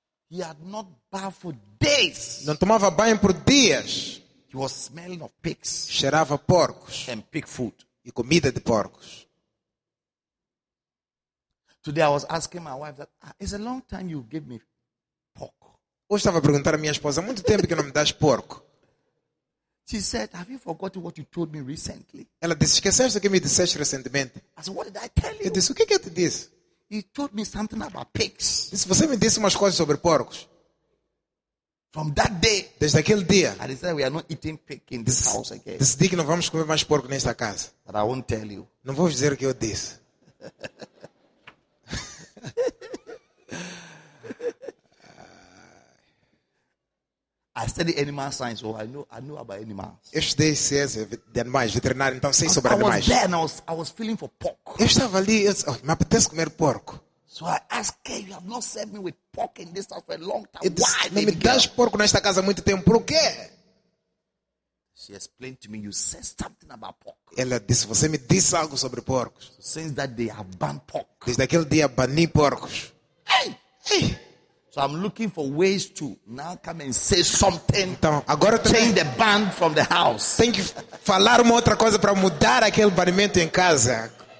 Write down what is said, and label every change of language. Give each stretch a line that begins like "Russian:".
English: He had not bathed for days.
Portuguese: Não tomava banho por dias.
English: He was smelling of pigs.
Portuguese: Cheirava porcos.
English: And pig food.
Portuguese: E comida de porcos.
English: Today I was asking my wife that it's a long time you give me pork.
Portuguese: Hoje estava a perguntar à minha esposa, há muito tempo que não me dás porco.
English: She said, have you forgotten what you told me recently?
Portuguese: Ela disse, esqueceste o que me disseste recentemente?
English: I said, what did I tell you?
Portuguese: Eu disse, o que é que eu te disse?
English: He told me something about pigs.
Portuguese: Disse, você me disse umas coisas sobre porcos.
English: From that day,
Portuguese: desde aquele dia,
English: I decided we are not eating pig in this house again.
Portuguese: Decidi que não vamos comer mais porco nesta casa.
English: But I won't tell you.
Portuguese: Não vou dizer o que eu disse.
English: I study animal science, so I know about animals.
Portuguese: Eu estudei ciência de animais, veterinário, então sei sobre animais.
English: I was feeling for pork.
Portuguese: Eu estava ali, me apetece comer porco.
English: So I asked, hey, you have not served me with pork in this house for a long time. Why?
Portuguese: Não me das porco nesta casa há muito tempo, por quê?
English: She explained to me, you said something about pork.
Portuguese: Ela disse, você me disse algo sobre porcos.
English: So since that day, I have banned pork.
Portuguese: Desde aquele dia, bani porcos.
English: Hey! Hey! So I'm looking for ways to now come and say something.
Portuguese: Então, agora
English: change the ban from the house.
Portuguese: Tem que falar uma outra coisa para mudar aquele banimento em casa.